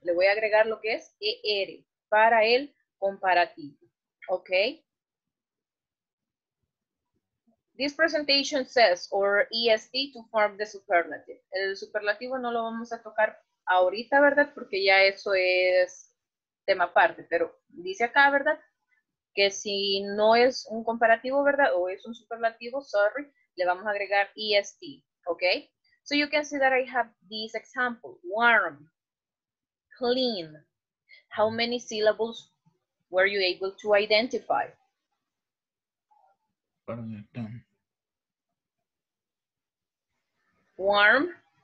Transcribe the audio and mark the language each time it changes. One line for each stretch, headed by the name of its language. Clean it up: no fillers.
Spanish: Le voy a agregar lo que es ER para el comparativo. Okay?
English: This presentation says, or EST, to form the superlative.
Spanish: El superlativo no lo vamos a tocar ahorita, ¿verdad? Porque ya eso es tema aparte. Pero dice acá, ¿verdad? Que si no es un comparativo, ¿verdad? O es un superlativo, sorry, le vamos a agregar EST, ¿ok?
English: So you can see that I have this example. Warm, clean. How many syllables were you able to identify? Warm.